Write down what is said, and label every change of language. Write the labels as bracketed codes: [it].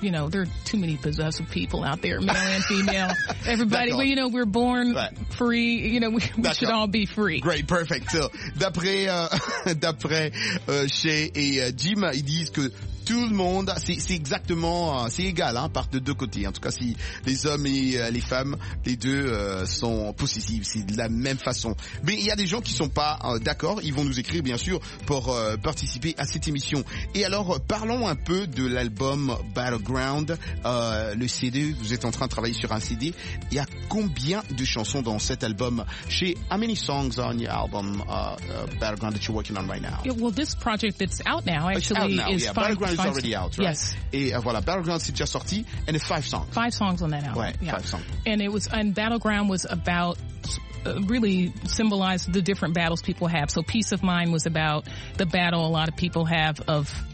[en] There are too many possessive people out there, male and female. Everybody, well, you know, we're born free. You know, we should all be free. Great, perfect. [fr] So d'après Shay et Jim, ils disent que tout le monde, c'est égal, hein, par de deux côtés. En tout cas, si les hommes et les femmes, les deux sont possessifs, c'est de la même façon. Mais il y a des gens qui sont pas d'accord. Ils vont nous écrire, bien sûr, pour participer à cette émission. Et alors, parlons un peu de l'album Battleground, le CD. Vous êtes en train de travailler sur un CD. Il y a combien de chansons dans cet album? [en] Chez How many songs on your album Battleground that you're working on right now? Yeah, well, this project that's out now actually out now, is yeah. five. Battleground is already out, right? Yes. [fr] Et voilà, Battleground c'est déjà sorti, [en] and it's five songs. Five songs on that album. Right, yeah. Five songs. And Battleground was about, really symbolized the different battles people have. So Peace of Mind was about the battle a lot of people have of